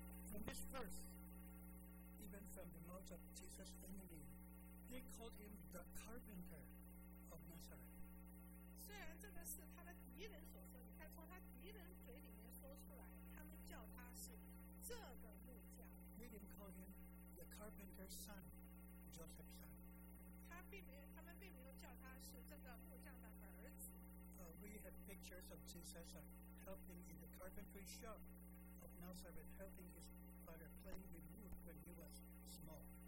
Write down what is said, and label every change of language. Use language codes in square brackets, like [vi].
[en] From this verse, even from the mouth of Jesus' enemy, they called him the carpenter of Nazareth. [zh] 虽然这个是他的敌人所说的，但从他敌人嘴里面说出来，他们叫他是这个木匠。 [en] They didn't call him the carpenter's son, Joseph's son. [zh] 他们并没有叫他是这个木匠的儿子。 [en] We have pictures of Jesus helping in the carpentry shop of Nazareth helping his father play with wood when he was small.